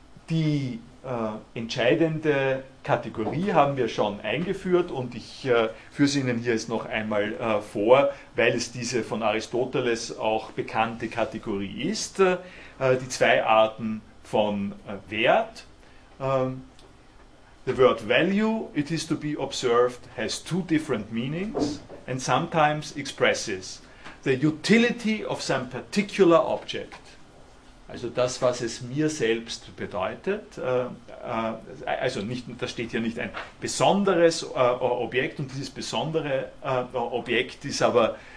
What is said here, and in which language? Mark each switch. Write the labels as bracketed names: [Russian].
[German] Die entscheidende Kategorie haben wir schon eingeführt, und ich führe sie Ihnen hier jetzt noch einmal vor, weil es diese von Aristoteles auch bekannte Kategorie ist. Die zwei Arten von Wert. [English] The word value, it is to be observed, has two different meanings and sometimes expresses the utility of some particular object. [German] Also das, was es mir selbst bedeutet, also nicht, da steht ja nicht ein besonderes Objekt, und dieses besondere Objekt ist aber